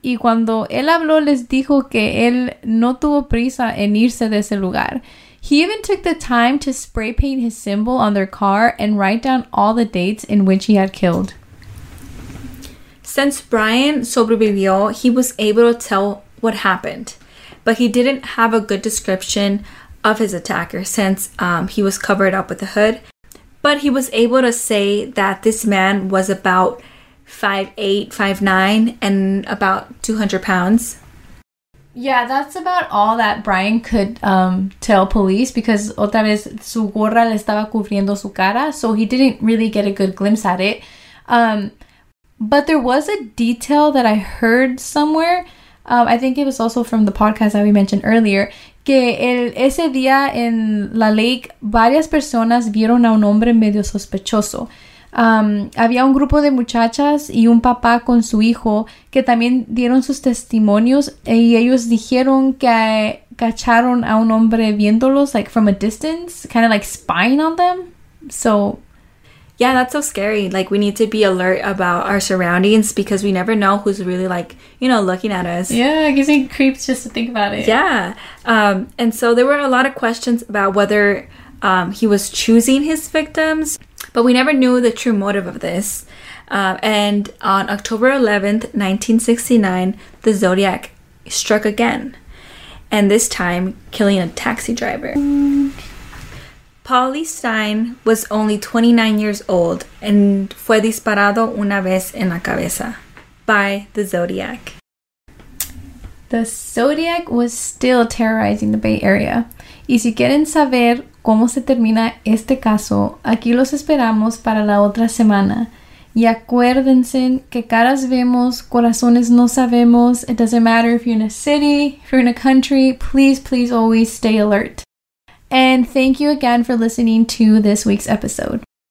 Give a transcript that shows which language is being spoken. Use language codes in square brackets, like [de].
[es] Y cuando él habló, les dijo que él no tuvo prisa en irse de ese lugar. [en] He even took the time to spray paint his symbol on their car and write down all the dates in which he had killed. Since Brian [es] sobrevivió, [en] he was able to tell what happened. But he didn't have a good description of his attacker since he was covered up with a hood. But he was able to say that this man was about 5'8", 5'9", and about 200 pounds. Yeah, that's about all that Brian could tell police because [es] otra vez su gorra le estaba cubriendo su cara, [en] so he didn't really get a good glimpse at it. But there was a detail that I heard somewhere. I think it was also from the podcast that we mentioned earlier. [es] Que ese día en la lake, varias personas vieron a un hombre medio sospechoso. Había un grupo de muchachas y un papá con su hijo que también dieron sus testimonios y ellos dijeron que cacharon a un hombre viéndolos, [en] like, from a distance, kind of like spying on them. So, yeah, that's so scary. Like, we need to be alert about our surroundings because we never know who's really, like, you know, looking at us. Yeah, it gives me creeps just to think about it. Yeah. And so there were a lot of questions about whether he was choosing his victims, but we never knew the true motive of this. And on October 11th, 1969, the Zodiac struck again, and this time killing a taxi driver. Pauli Stein was only 29 years old and [es] fue disparado una vez en la cabeza [en] by the Zodiac. The Zodiac was still terrorizing the Bay Area. [es] Y si quieren saber cómo se termina este caso, aquí los esperamos para la otra semana. Y acuérdense que caras vemos, corazones no sabemos. [en] It doesn't matter if you're in a city, if you're in a country, please, please always stay alert. And thank you again for listening to this week's episode.